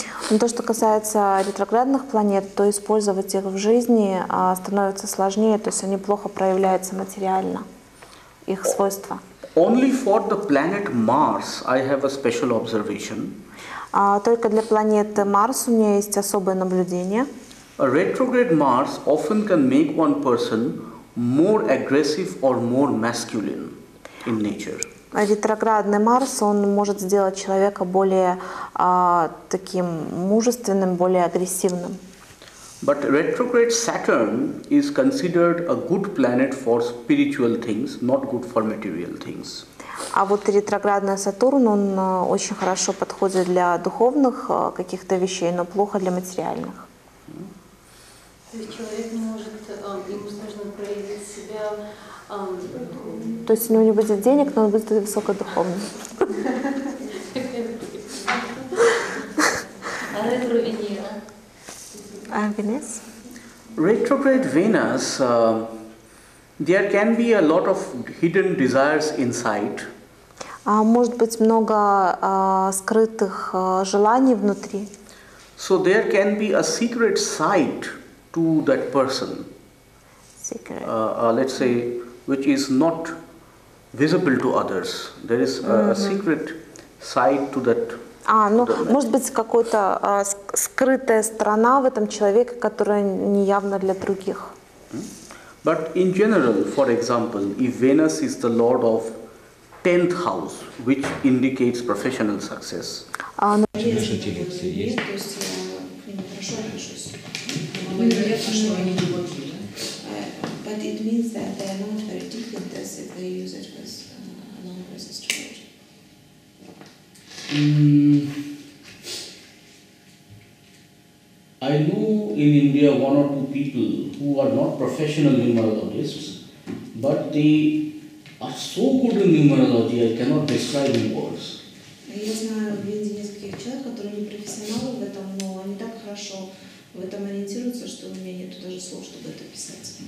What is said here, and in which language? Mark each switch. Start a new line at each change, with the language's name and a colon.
Russian: Но то, что касается ретроградных планет, то использовать их в жизни становится сложнее, то есть они плохо проявляются материально, их свойства.
English: Only for the planet Mars I have a special observation.
Russian: Только для планеты Марс у меня есть особое наблюдение.
English: A retrograde Mars often can make one person more aggressive or more masculine. In nature.
Russian: Ретроградный Марс, он может сделать человека более таким мужественным, более агрессивным.
English: But retrograde Saturn is considered a good planet for spiritual things, not good for material things.
Russian: А вот ретроградный Сатурн, он очень хорошо подходит для духовных каких-то вещей, но плохо для материальных. То есть человек не может, ему сложно проявить себя... То есть у него не будет денег, но он будет высокодуховным. А ретро Венера? А Венес? Ретроград Венес...
English: There can be a lot of hidden desires inside.
Russian: Может быть много скрытых желаний внутри.
English: So there can be a secret side to that person. Secret. Let's say, which is not visible to others. There is a secret side to that.
Russian: Может быть какая-то скрытая сторона в этом человеке, которая не явна для других.
English: But in general, for example, if Venus is the lord of 10th house, which indicates professional success. But it means that they are not very different as if they use it as an anomalous astrologer. I know in India one or two people who are not professional numerologists, but they are so good in numerology I cannot describe in words.
Russian: Я знаю один из тех человек, которые не профессионалы в этом, но они так хорошо в этом ориентируются, что у меня нету даже слов, чтобы это писать.